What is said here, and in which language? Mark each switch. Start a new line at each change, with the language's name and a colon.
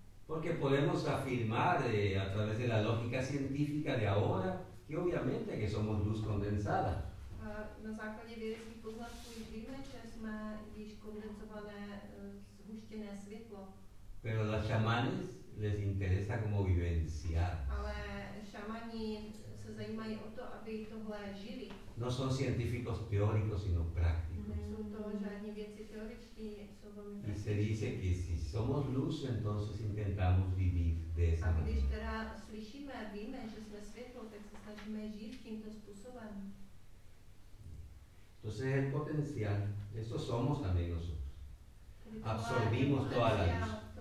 Spanish: Porque podemos afirmar a través de la lógica científica de ahora que obviamente que somos luz condensada.
Czech: Na základě vědeckých poznatků už víme, že jsme již kondenzované zhuštěné světlo.
Spanish: Pero a los chamanes les interesa como vivenciar.
Czech: Ale šamani se zajímají o to, aby tohle žili.
Spanish: No son científicos teóricos, sino prácticos.
Czech: Nejsou to žádní věci teoretičtí, jsou velmi prácticí.
Spanish: Y se dice que si somos luz, entonces intentamos vivir de esa manera.
Czech: A když teda slyšíme, víme, že jsme světlo, tak se snažíme žít tímto způsobem.
Spanish: Entonces el potencial, eso somos también nosotros. Absorbimos toda la luz.